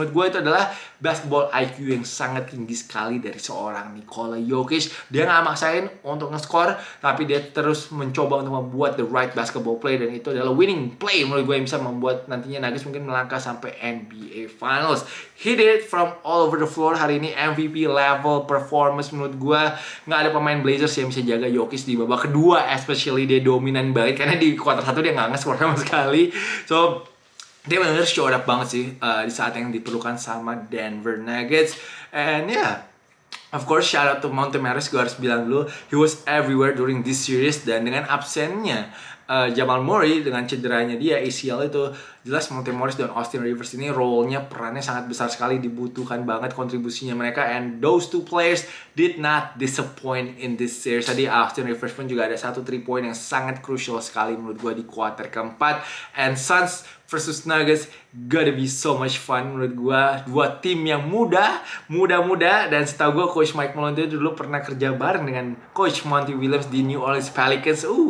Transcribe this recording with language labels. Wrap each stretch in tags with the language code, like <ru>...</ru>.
<id>Menurut gue itu adalah basketball IQ yang sangat tinggi sekali dari seorang Nikola Jokic. Dia gak maksain untuk nge-score, tapi dia terus mencoba untuk membuat</id> <en>the right basketball play.</en> <id>Dan itu adalah winning play menurut gue yang bisa membuat nantinya Nuggets mungkin melangkah sampai NBA Finals.</id> <en>He did it from all over the floor</en> <id>hari ini.</id> <en>MVP level performance</en> <id>menurut gue. Gak ada pemain Blazers yang bisa jaga Jokic di babak kedua. Especially dia dominan banget. Karena di quarter 1 dia gak nge-score sama sekali. So, dia bener-bener</id> <en>showed up</en> <id>banget sih di saat yang diperlukan sama Denver Nuggets.</id> <en>And yeah, of course shout out to Monte Morris.</en> <id>Gue harus bilang dulu,</id> <en>he was everywhere during this series.</en> <id>Dan dengan absennya Jamal Murray dengan cederanya dia ACL itu, jelas Monte Morris dan Austin Rivers ini role-nya, perannya sangat besar sekali, dibutuhkan banget kontribusinya mereka.</id> <en>And those two players did not disappoint in this series.</en> <id>Tadi Austin Rivers pun juga ada satu 3 point yang sangat crucial sekali menurut gue di quarter keempat.</id> <en>And Suns versus Nuggets gotta be so much fun</en> <id>menurut gue. Dua tim yang muda, dan setahu gue Coach Mike Malone dulu pernah kerja bareng dengan Coach Monty Williams di New Orleans Pelicans.</id>